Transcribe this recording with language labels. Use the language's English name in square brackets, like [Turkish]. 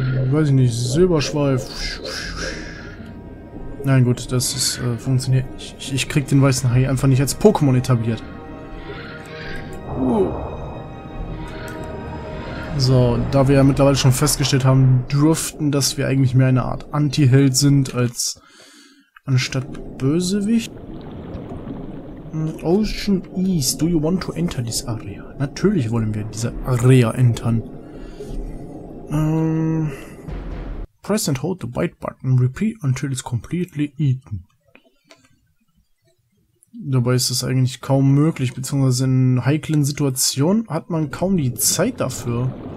[German] Weiß ich nicht, Silberschweif. Nein, gut, das ist, funktioniert. Ich krieg den weißen Hai einfach nicht als Pokémon etabliert. So, da wir ja mittlerweile schon festgestellt haben, dürften, dass wir eigentlich mehr eine Art Anti-Held sind als. Anstatt Bösewicht. [English] Ocean East, do you want to enter this area? [German] Natürlich wollen wir diese Area entern. [English] Press and hold the bite button. Repeat until it's completely eaten. [German] Dabei ist das eigentlich kaum möglich, beziehungsweise in heiklen Situationen hat man kaum die Zeit dafür.